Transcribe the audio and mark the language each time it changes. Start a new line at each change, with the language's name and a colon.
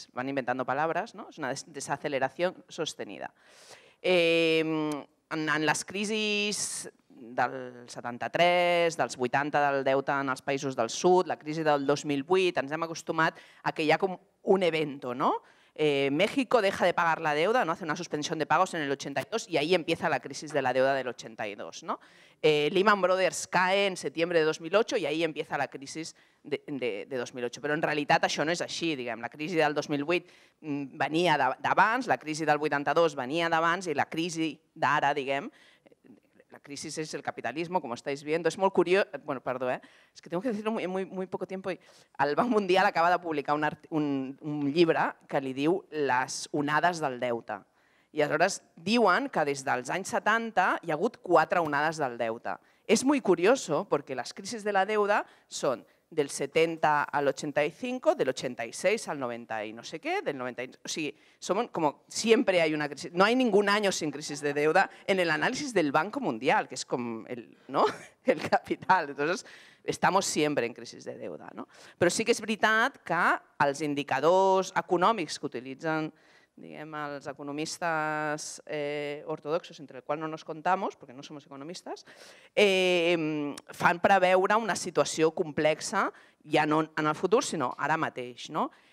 Catalan: Van inventando paraules, no? És una desaceleració sostenida. En les crisis del 73, dels 80 del deute en els països del sud, la crisi del 2008, ens hem acostumat a que hi ha com un evento, no?
Spanish: México deja de pagar la deuda, no? Hace una suspensión de pagos en el 82 y ahí empieza la crisis de la deuda del 82, no? Lehman Brothers cae en septiembre de 2008 y ahí empieza la crisis de 2008.
Catalan: Però en realitat això no és així, diguem. La crisi del 2008 venia d'abans, la crisi del 82 venia d'abans i la crisi d'ara, diguem,
Spanish: la crisis es el capitalismo, como estáis viendo. Es muy curioso, bueno, perdón, es que tengo que decirlo muy poco tiempo.
Catalan: El Banc Mundial acaba de publicar un llibre que li diu Les onades del deute. I aleshores diuen que des dels anys 70 hi ha hagut 4 onades del deute. És
Spanish: muy curioso
Catalan: perquè les crisis de la deuda són del 70 al 85, del 86 al 90 i no sé què, del 90, o sigui, com sempre hi ha una crisi, no hi ha ningú any
Spanish: sin crisi de deuda
Catalan: en l'anàlisi del Banc Mundial, que és com el, no? El capital.
Spanish: Entonces, estamos siempre en crisi de deuda, no?
Catalan: Però sí que és veritat que els indicadors econòmics que utilitzen, diguem, els economistes ortodoxos, entre el qual
Spanish: no nos contamos,
Catalan: perquè no som economistes, fan preveure una situació complexa, ja no en el futur, sinó ara mateix, no?